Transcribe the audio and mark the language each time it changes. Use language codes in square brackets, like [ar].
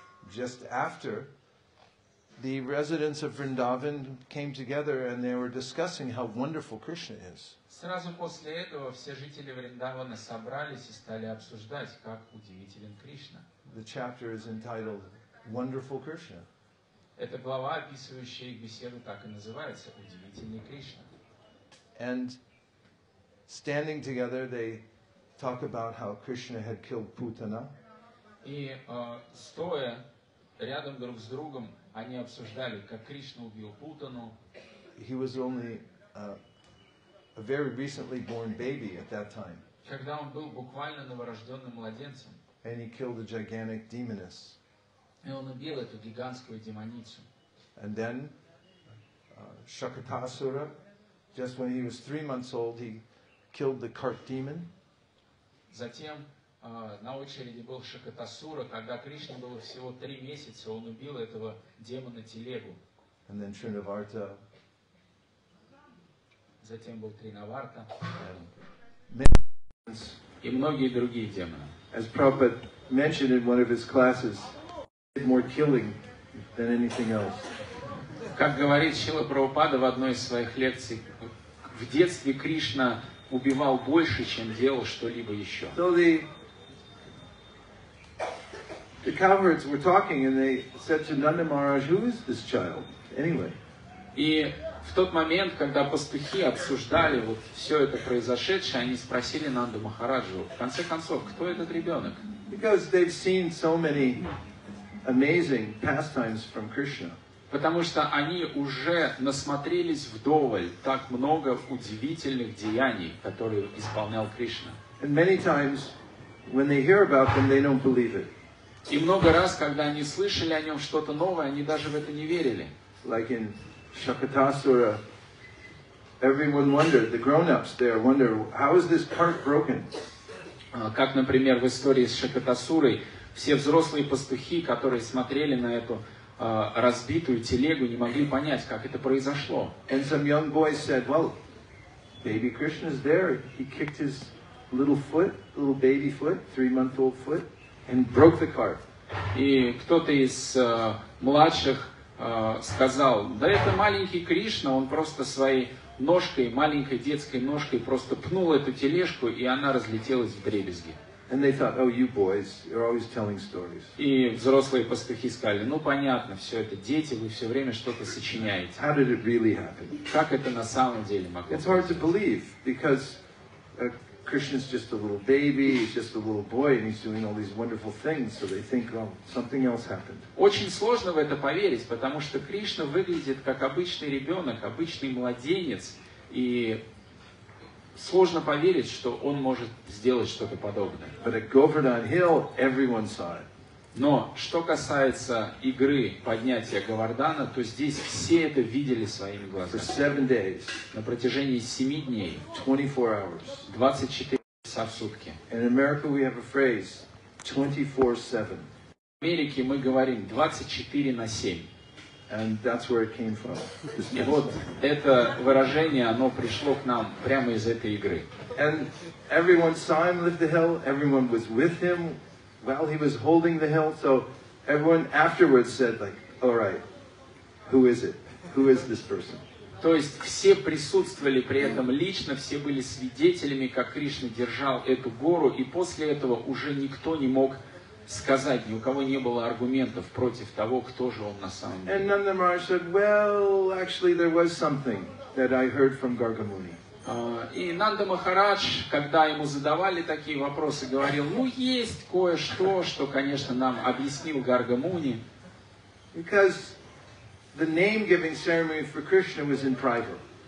[en] Just after the residents of Vrindavan came together and they were discussing how wonderful Krishna is. [ru] Сразу после этого все жители Вриндавана собрались и стали обсуждать, как удивителен Кришна. [en] The chapter is entitled Wonderful Krishna. [ru] Эта глава, описывающая их беседу, так и называется Удивительный Кришна. [en] And standing together they talk about how Krishna had killed Putana. [ru] И стоя рядом друг с другом они обсуждали, как Кришна убил Путану. [en] He was only a very recently born baby at that time. [ru] Когда он был буквально новорожденным младенцем. [en] And he killed a gigantic demoness. [ru] И он убил эту гигантскую демоницу. [en] And then Shakatasura, just when he was 3 months old, he killed the cart demon. [ru] Затем на очереди был Шакатасура, когда Кришне было всего 3 месяца, он убил этого демона телегу. [en] And then Trinavarta. [ru] Затем был Тринаварта. [en] And [ru] и многие другие демоны. [en] As Prabhupada mentioned in one of his classes, did more killing than anything else. [ru] Как говорит Шрила Прабхупада в одной из своих лекций, в детстве Кришна убивал больше, чем делал что-либо еще. [en] So the cowherds were talking, and they said to Nanda Maharaj, "Who is this child, anyway?" [ru] И в тот момент, когда пастухи обсуждали вот все это произошедшее, они спросили Нанду Махараджу, в конце концов, кто этот ребенок? [en] Because they've seen so many amazing pastimes from Krishna. [ru] Потому что они уже насмотрелись вдоволь так много удивительных деяний, которые исполнял Кришна. [en] And many times, when they hear about them, they don't believe it. [ru] И много раз, когда они слышали о нем что-то новое, они даже в это не верили. [en] Like in Shakatasura, everyone wondered, the grown-ups there wondered, how is this cart broken? [ru] Как, например, в истории с Шакатасурой, все взрослые пастухи, которые смотрели на эту разбитую телегу, не могли понять, как это произошло. [en] And some young boy said, well, baby Krishna's there. He kicked his little foot, little baby foot, 3-month-old foot, and broke the cart. [ru] И кто-то из младших сказал, да это маленький Кришна, он просто своей ножкой, маленькой детской ножкой просто пнул эту тележку, и она разлетелась в дребезги. [en] And they thought, oh, you boys, you're always telling stories. [ru] И взрослые пастухи сказали, ну понятно, все это дети, вы все время что-то сочиняете. [en] How did it really happen? [ru] Как это на самом деле могло быть? [en] It's hard to believe, because Krishna's just a little baby, he's just a little boy, and he's doing all these wonderful things, so they think, oh, something else happened. [ru] Очень сложно в это поверить, потому что Кришна выглядит как обычный ребенок, обычный младенец, и сложно поверить, что он может сделать что-то подобное. [en] But at Govardhan Hill, everyone saw it. [ru] Но что касается игры поднятия Говардана, то здесь все это видели своими глазами. [en] For 7 days. [ru] На протяжении 7 дней. [en] 24 hours. [ru] 24 часа в сутки. [en] In America we have a phrase, 24/7. [ru] В Америке мы говорим 24/7. [en] And that's where it came from. [ru] И вот это выражение, оно пришло к нам прямо из этой игры. [en] And everyone saw him lift the hill. Everyone was with him while he was holding the hill. So everyone afterwards said, like, all right, who is it? Who is this person? [ru] То есть все присутствовали при этом лично, все были свидетелями, как Кришна держал эту гору, и после этого уже никто не мог сказать, ни у кого не было аргументов против того, кто же он на самом деле. [en] And Nanda Maharaj said, well, actually, there was something that I heard from Garga Muni. [ru] И Нанда Махарадж, когда ему задавали такие вопросы, говорил, ну, есть кое-что, что, конечно, нам объяснил Гарга Муни. [en] Because the name-giving ceremony for Krishna was in private.